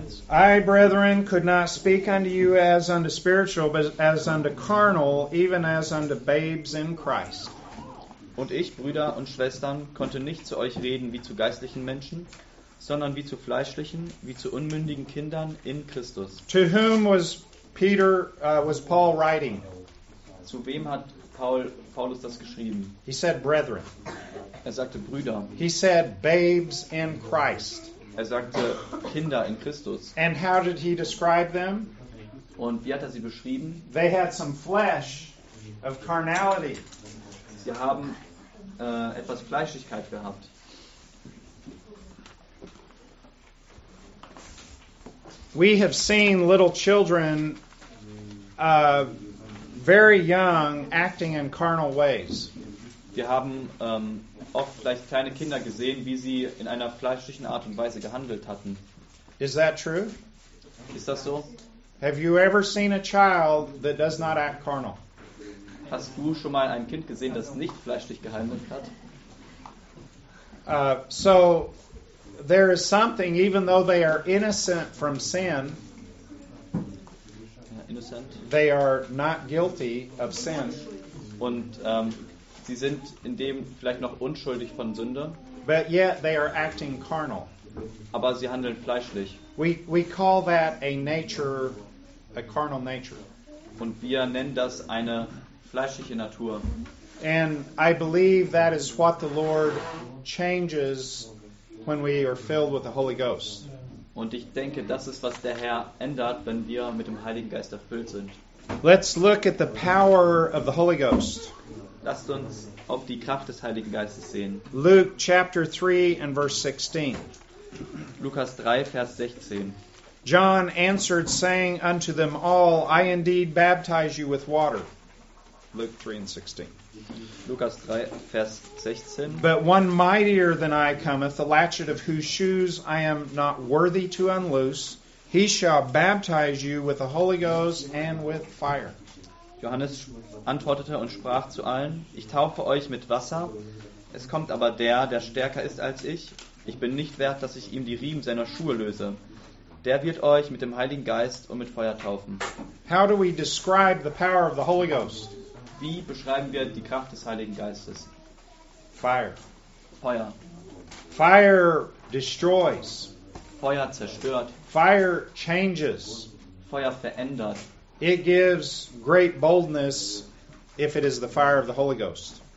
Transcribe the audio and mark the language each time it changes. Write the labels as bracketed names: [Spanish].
[English] I, brethren, could not speak unto you as unto spiritual, but as unto carnal, even as unto babes in Christ. [German] Und ich, Brüder und Schwestern, konnte nicht zu euch reden wie zu geistlichen Menschen, sondern wie zu fleischlichen, wie zu unmündigen Kindern in Christus. [English] To whom was Peter, was Paul writing? [German] Zu wem hat Paulus das geschrieben? [English] He said, brethren. [German] Er sagte Brüder. [English] He said babes in Christ. [German] Er sagte Kinder in Christus. [English] And how did he describe them? [German] Und wie hat er sie beschrieben? [English] They had some flesh of carnality. [German] Sie haben etwas Fleischlichkeit gehabt. [English] We have seen little children very young acting in carnal ways. [German] Wir haben oft vielleicht kleine Kinder gesehen, wie sie in einer fleischlichen Art und Weise gehandelt hatten. [English] Is that true? [German] Ist das so? [English] Have you ever seen a child that does not act carnal? [German] Hast du schon mal ein Kind gesehen, das nicht fleischlich gehandelt hat? [English] So there is something, even though they are innocent from sin, innocent. They are not guilty of sin. [German] Und sie sind in dem vielleicht noch unschuldig von Sünde. [English] But yet they are acting carnal. [German] Aber sie handeln fleischlich. [English] We call that a nature, a carnal nature. [German] Und wir nennen das eine fleischliche Natur. [English] And I believe that is what the Lord changes when we are filled with the Holy Ghost. [German] Und ich denke, das ist, was der Herr ändert, wenn wir mit dem Heiligen Geist erfüllt sind. [English] Let's look at the power of the Holy Ghost. [German] Lasst uns auf die Kraft des Heiligen Geistes sehen. [English] Luke chapter 3 and verse 16. [German] Lukas 3, Vers 16. [English] John answered, saying unto them all, I indeed baptize you with water. Luke 3 and 16. [German] Lukas 3, Vers 16. [English] But one mightier than I cometh, the latchet of whose shoes I am not worthy to unloose, he shall baptize you with the Holy Ghost and with fire. [German] Johannes antwortete und sprach zu allen, ich taufe euch mit Wasser, es kommt aber der, der stärker ist als ich. Ich bin nicht wert, dass ich ihm die Riemen seiner Schuhe löse. Der wird euch mit dem Heiligen Geist und mit Feuer taufen. [English] How do we describe the power of the Holy Ghost? [German] Wie beschreiben wir die Kraft des Heiligen Geistes? [English] Fire. [German] Feuer. [English] Fire destroys. [German] Feuer zerstört. [English] Fire changes. [German] Feuer verändert. [English] It gives great boldness if it is the fire of the Holy Ghost.